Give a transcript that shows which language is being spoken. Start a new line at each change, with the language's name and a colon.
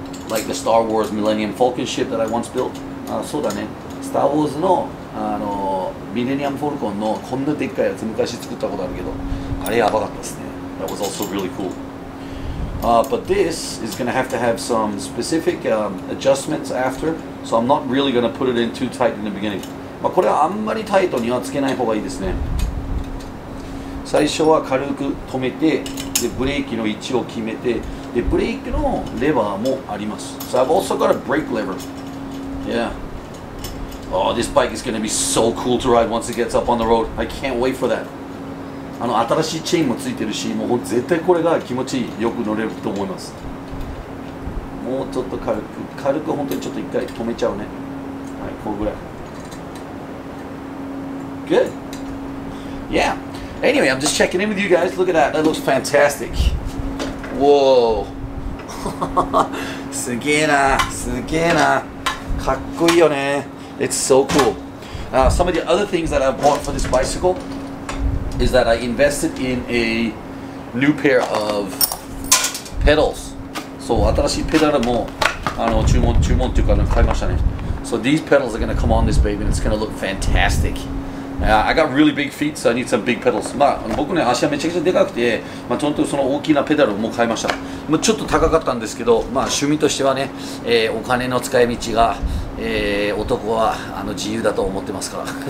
English: Like the Star Wars Millennium Falcon ship that I once built.
Japanese: あ、そうだね。スターウォーズの、ミレニアムフォルコンのこんなでっかいやつ昔作ったことあるけど、あれやばかったですね。
English: That was also really cool. But this is going to have some specific adjustments after, so I'm not really going to put it in too tight in the beginning.
Japanese: まあこれはあんまりタイトにはつけない方がいいですね。最初は軽く止めて、でブレーキの位置を決めて、でブレーキのレバーもあります。
English: So I've also got a brake lever. Yeah. Oh, this bike is going to be so cool to ride once it gets up on the road. I can't wait for that.
Japanese: あの新しいチェーンもついてるし、もう絶対これが気持ちいい、よく乗れると思います。もうちょっと軽く本当にちょっと一回止めちゃうね。はい、こうぐらい。
English: Good. Yeah. Anyway, I'm just checking in with you guys. Look at that. That looks fantastic. Whoa.
Japanese: すげえな、すげえな。かっこいいよね。
English: It's so cool. Some of the other things that I've bought for this bicycle. Is that I invested in a new pair of pedals.
Japanese: So, 新しいペダルも注文というか買いましたね。
English: So, these pedals are going to come on this baby and it's going to look fantastic. I got really big feet, so I need some big pedals.
Japanese: まあ、僕ね、足はめちゃくちゃでかくて、まあ、ちょっとその大きなペダルも買いました。まあ、ちょっと高かったんですけど、まあ、趣味としてはね、お金の使い道が、男は自由だと思ってますから。